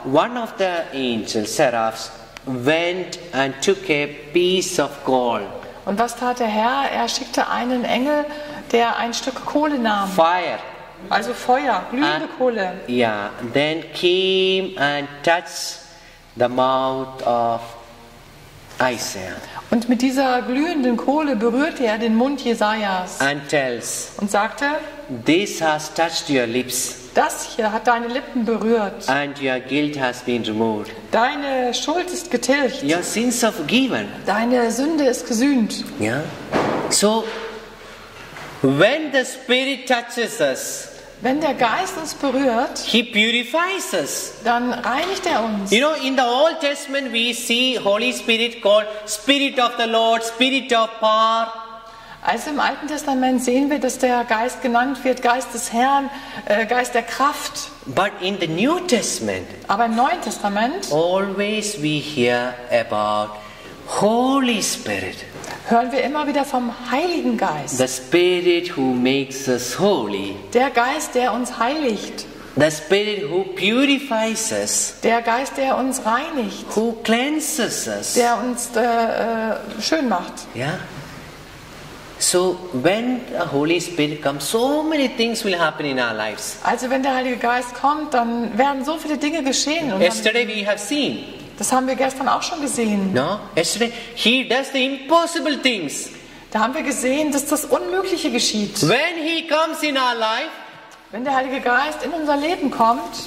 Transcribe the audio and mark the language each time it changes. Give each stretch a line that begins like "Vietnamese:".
English: One of the angels, seraphs, went and took a piece of gold.
German: Und was tat der Herr? Er schickte einen Engel, der ein Stück Kohle nahm.
English: Fire.
German: Also Feuer, glühende Kohle.
English: Yeah, then came and touched the mouth of Isaiah.
German: Und mit dieser glühenden Kohle berührte er den Mund Jesajas.
English: And tells.
German: Und sagte:
English: This has touched your lips.
German: Das hier hat deine Lippen berührt.
English: And your guilt has been removed.
German: Deine Schuld ist getilgt.
English: Your sins are forgiven.
German: Deine Sünde ist gesühnt.
English: Ja. Yeah. So when the Spirit touches us,
German: wenn der Geist uns berührt,
English: he purifies us.
German: Dann reinigt er uns.
English: You know, in the Old Testament we see Holy Spirit called Spirit of the Lord, Spirit of Power.
German: Also im Alten Testament sehen wir, dass der Geist genannt wird, Geist des Herrn, Geist der Kraft.
English: But in the New Testament,
German: aber im Neuen Testament,
English: always we hear about Holy Spirit.
German: Hören wir immer wieder vom Heiligen Geist.
English: The Spirit who makes us holy.
German: Der Geist, der uns heiligt.
English: The Spirit who purifies us.
German: Der Geist, der uns reinigt.
English: Who cleanses us.
German: Der uns schön macht. Yeah.
English: So when the Holy Spirit comes, so many things will happen in our lives.
German: Also wenn der Heilige Geist kommt, dann werden so viele Dinge geschehen.
English: Yesterday we have seen.
German: Das haben wir gestern auch schon gesehen.
English: No, yesterday he does the impossible things.
German: Da haben wir gesehen, dass das Unmögliche geschieht.
English: When he comes in our life,
German: wenn der Heilige Geist in unser Leben kommt,